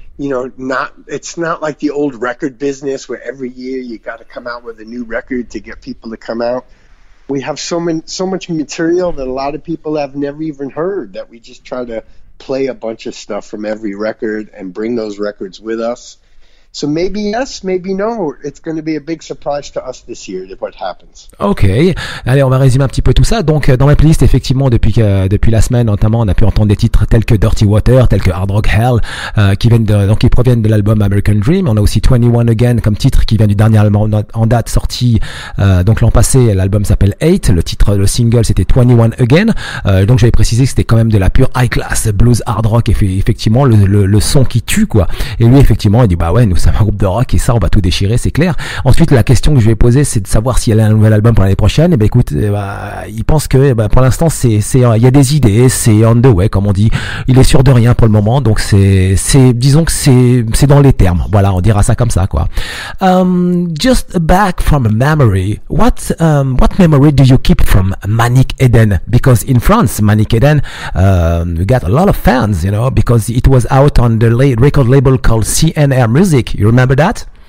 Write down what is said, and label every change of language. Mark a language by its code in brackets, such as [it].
[en] You know, it's not like the old record business where every year you got to come out with a new record to get people to come out. We have so much material that a lot of people have never even heard, that we just try to play a bunch of stuff from every record and bring those records with us. So maybe yes, maybe no. It's going to be a big surprise to us this year what happens. Okay. [fr] Allez, on va résumer un petit peu tout ça. Donc, dans ma playlist, effectivement, depuis la semaine, notamment, on a pu entendre des titres tels que Dirty Water, tels que Hard Rock Hell, qui proviennent de l'album American Dream. On a aussi 21 Again comme titre qui vient du dernier album en date sorti, donc l'an passé. L'album s'appelle 8. Le single, c'était 21 Again. Donc, j'avais précisé que c'était quand même de la pure high class blues hard rock. Effectivement, le son qui tue, quoi. Et lui, effectivement, il dit, bah ouais, nous sommes un groupe de rock et ça, on va tout déchirer, c'est clair. Ensuite, la question que je lui ai posée, c'est de savoir s'il y a un nouvel album pour l'année prochaine. Et bien, écoute, il pense que pour l'instant, il y a des idées, c'est [en] on the way, [fr] comme on dit. Il est sûr de rien pour le moment, donc disons que c'est dans les termes. Voilà, on dira ça comme ça, quoi. [en] Just back from a memory, what memory do you keep from Manic Eden? Because in France, Manic Eden got a lot of fans, you know, because it was out on the record label called CNR Music. You remember that?